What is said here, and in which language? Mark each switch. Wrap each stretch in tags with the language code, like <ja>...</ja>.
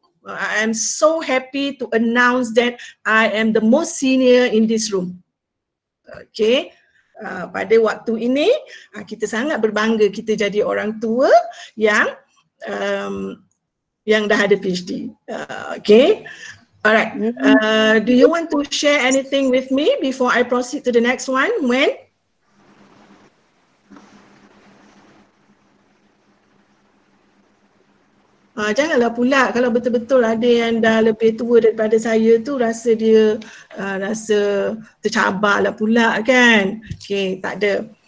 <en>I am so happy to announce that I am the most senior in this room.</en> <ms>Okay, pada waktu ini, kita sangat berbangga kita jadi orang tua yang yang dah ada PhD.</ms> <en>Okay, alright. Do you want to share anything with me before I proceed to the next one, Wen?</en> <ms>Janganlah pula kalau betul-betul ada yang dah lebih tua daripada saya tu, rasa dia rasa tercabarlah pula kan. Okay, takde.</ms>